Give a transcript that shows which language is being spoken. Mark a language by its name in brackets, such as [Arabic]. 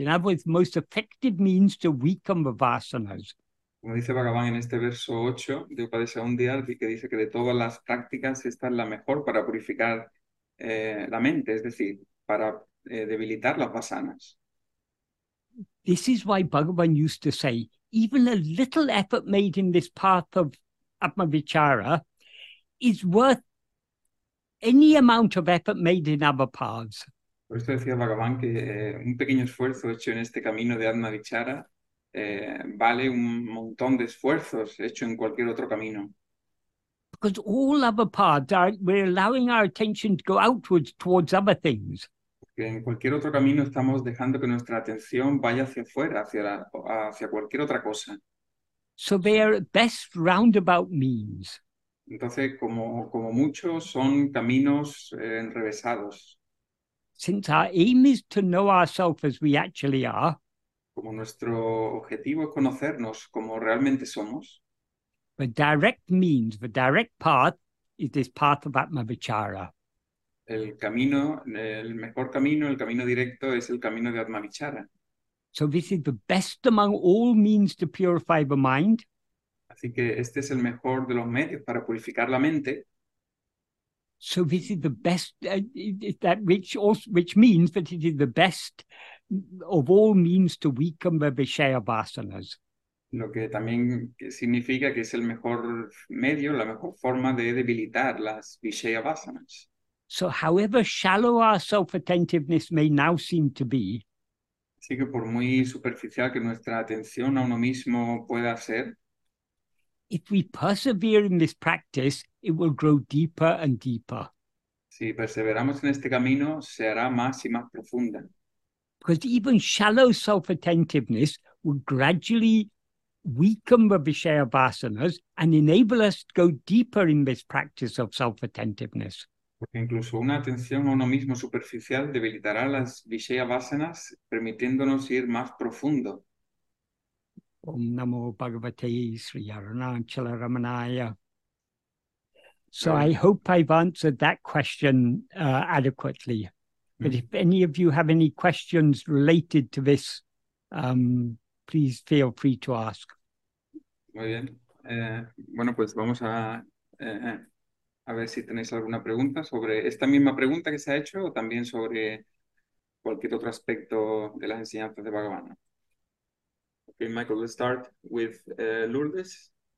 [English] In other words, most effective means to weaken the vasanas. [Spanish] Como dice Bhagavan en este verso 8 de 𝘷𝘪 ṣ𝘢𝘺𝘢, que dice que de todas las prácticas esta es la mejor para purificar la mente, es decir, para debilitar las vasanas. [English] This is why Bhagavan used to say, even a little effort made in this path of atmavichara is worth any amount of effort made in other paths. [Spanish] Por esto decía Bhagavan que un pequeño esfuerzo hecho en este camino de atmavichara vale un montón de esfuerzos hecho en cualquier otro camino. [English] Because all other paths are, we're allowing our attention to go outwards towards other things. [Spanish] Que en cualquier otro camino estamos dejando que nuestra atención vaya hacia afuera, hacia cualquier otra cosa. [English] So they are best roundabout means. [Spanish] Entonces, como muchos, son caminos enrevesados. [English] Since our aim is to know ourselves as we actually are, [Spanish] como nuestro objetivo es conocernos como realmente somos, [English] the direct means, the direct path, is this path of Atmavichara. [Spanish] El camino, el mejor camino, el camino directo es el camino de Atmavichara. [English] So this is the best among all means to purify the mind. [Spanish] Así que este es el mejor de los medios para purificar la mente. [English] So this is the best, that which also, which means that it is the best of all means to weaken the vishaya vasanas. [Spanish] Lo que también significa que es el mejor medio, la mejor forma de debilitar las vishaya vasanas. [English] So however shallow our self-attentiveness may now seem to be, [Spanish] así que por muy superficial que nuestra atención a uno mismo pueda ser, [English] if we persevere in this practice, it will grow deeper and deeper. [Spanish] Si perseveramos en este camino, se hará más y más profunda. [English] Because even shallow self-attentiveness will gradually weaken the vishaya vasanas and enable us to go deeper in this practice of self-attentiveness. [Spanish] Porque incluso una atención a uno mismo superficial debilitará las vishaya vasanas, permitiéndonos ir más profundo. [Sanskrit] Om namo bhagavate sri arunachala ramanaya. [English] So I hope I've answered that question adequately. But if any of you have any questions related to this, please feel free to ask. [Spanish] Muy bien. Bueno, pues vamos a ver si tenéis alguna pregunta sobre esta misma pregunta que se ha hecho o también sobre cualquier otro aspecto de las enseñanzas de Bhagavan. [English] Okay, Michael, let's start with Lourdes.